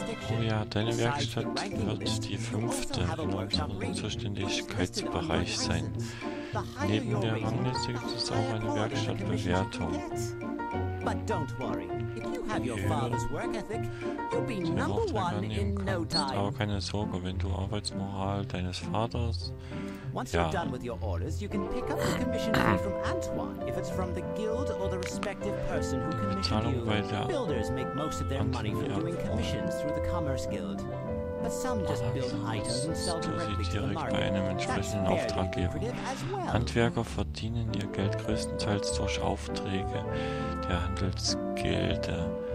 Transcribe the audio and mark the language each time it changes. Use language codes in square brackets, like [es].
[de] Oh ja, deine Werkstatt wird die fünfte in unserem Zuständigkeitsbereich sein. Neben der Rangliste gibt es auch eine Werkstattbewertung. [en] But don't worry. If you have your father's work ethic, you'll be number one in no time. [de] Aber keine Sorge, wenn du Arbeitsmoral deines Vaters. [en] Once you're done with your orders, you can pick up the commission fee from Antoine if it's from the guild or the respective person who commissioned you. Builders make most of their money from doing commissions through the Commerce Guild. But some just build items and sell directly to the market. [de] Bei einem entsprechenden Auftraggeber. Handwerker verdienen ihr Geld größtenteils durch Aufträge der Handelsgilde.